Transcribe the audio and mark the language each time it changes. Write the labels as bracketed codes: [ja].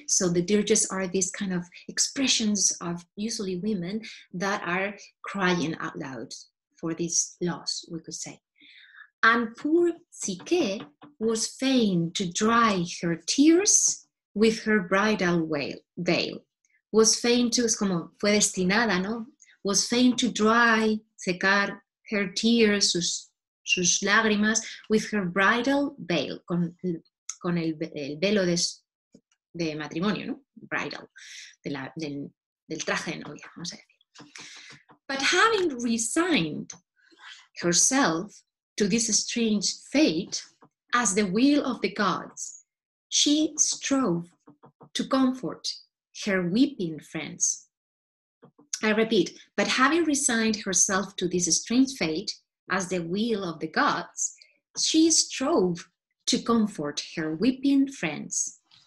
[en] So the dirges are these kind of expressions of usually women that are crying out loud for this loss, we could say. And poor Psyche was fain to dry her tears with her bridal veil. Was fain to, [es] es como fue destinada, ¿no? [en] Was fain to dry, [es] secar [en] her tears, [es] sus lágrimas, [en] with her bridal veil, [es] con el velo de matrimonio, ¿no? Bridal, del traje de novia, vamos a decir. [en] But having resigned herself to this strange fate, as the will of the gods, she strove to comfort her weeping friends. I repeat, but having resigned herself to this strange fate, as the will of the gods, she strove to comfort her weeping friends.